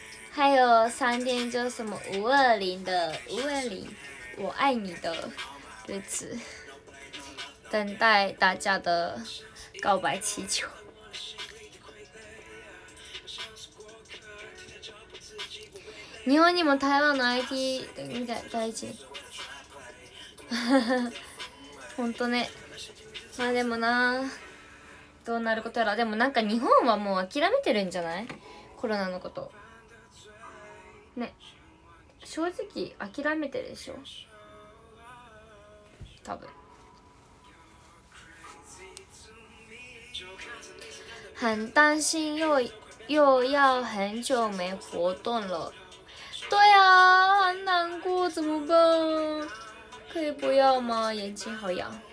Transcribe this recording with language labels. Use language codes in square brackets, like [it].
[zh] 还有三天就什么520我爱你的日子，等待大家的告白气球。 [ja] 日本にも台湾の IT 大臣ほんとね。まあでもな、どうなることやら。でもなんか日本はもう諦めてるんじゃない、コロナのことね。正直諦めてるでしょ多分。 [zh] 很担心又要很久没活动了。对啊，很难过，怎么办？可以不要吗？眼睛好痒。